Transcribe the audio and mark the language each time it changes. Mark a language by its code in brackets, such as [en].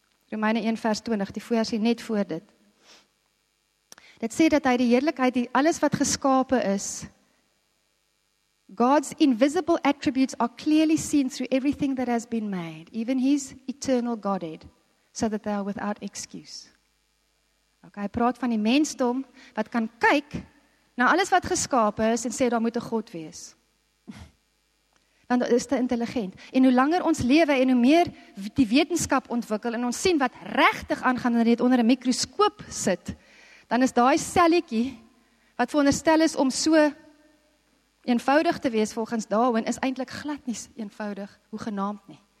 [af] Romeine 1 vers 20, die versie net voor dit. Dit sê dat hy die heerlikheid, die alles wat geskape is, [en] God's invisible attributes are clearly seen through everything that has been made, even his eternal Godhead, so that they are without excuse. [af] Ok, hy praat van die mensdom, wat kan kyk na alles wat geskape is, en sê, daar moet 'n God wees. Want dit is te intelligent. En hoe langer ons lewe, en hoe meer die wetenskap ontwikkel, en ons sien wat regtig aangaan, en dit onder 'n mikroskoop sit, dan is daai selletjie, wat veronderstel is om so eenvoudig te wees volgens Darwin, is eintlik glad nie eenvoudig, hoegenaamd nie.